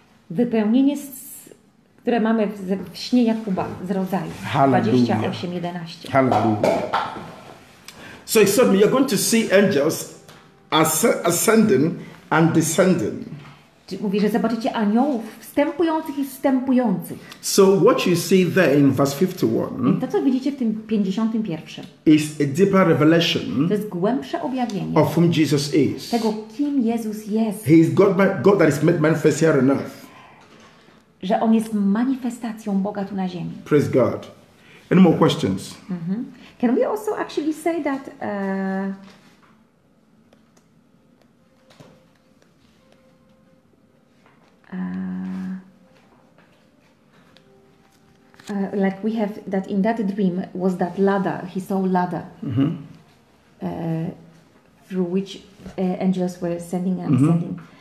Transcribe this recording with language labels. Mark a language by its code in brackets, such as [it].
[pl] Wypełnienie, które mamy w śnie Jakuba z rodzaju. Hallelujah. 28:11. [en] So he said, you're going to see angels ascending and descending. [pl] Mówi, że zobaczycie aniołów wstępujących i wstępujących. [en] So what you see there in verse 51. [pl] I to co widzicie w tym 51. [en] Is a deeper revelation. [pl] To jest głębsze objawienie. [en] Of whom Jesus is. [pl] Tego kim Jezus jest. [en] He is God that is made manifest here on earth. [pl] Że on jest manifestacją Boga tu na ziemi. [en] Praise God. Any more questions? Mm-hmm. Can we also actually say that? Like we have that in that dream was that ladder. He saw ladder through which angels were ascending and descending.